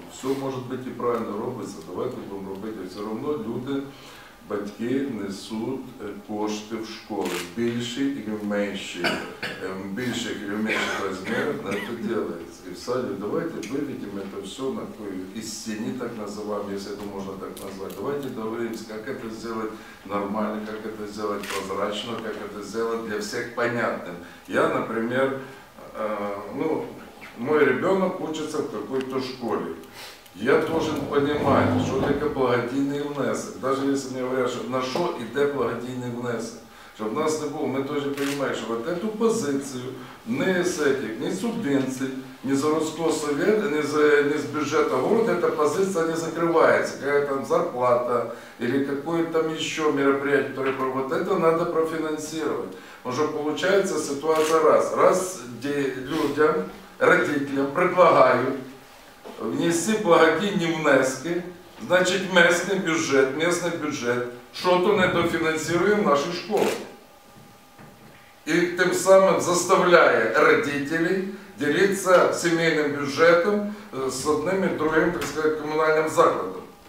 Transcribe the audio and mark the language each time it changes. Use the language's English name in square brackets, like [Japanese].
[Russian] Все может быть и правильно робиться, давайте будем робити. Все равно люди, [Ukrainian] батьки несут кошти в школу, більші і менші, більших і менших розмірах на це ділається. І в саді давайте виведемо це все на істині, так називаємо, якщо це можна так назвати. Давайте доведемося, як це зробити нормально, як це зробити прозрачно, як це зробити для всіх понятним. Я, наприклад, ну, мій ребенок учиться в якійсь школі. [Russian] Я должен понимать, что такое [Ukrainian] благодійний внесок. [Russian] Даже если мне говорят, что на что идет [Ukrainian] благодійний внесок. [Russian] Чтобы у нас не было, мы тоже понимаем, что вот эту позицию ни из этих, ни субвенций, ни за городского совета, ни с бюджета города эта позиция не закрывается. Какая там зарплата или какое-то там еще мероприятие, которое проводят. Это надо профинансировать. Уже получается ситуация раз. Раз людям, родителям предлагают внести [Ukrainian] благодійні внески, значить місний бюджет, що-то недофінансує в наших школах. І тим самим заставляє родителів ділитися сімейним бюджетом з одним і другим, так сказати, комунальним закладом.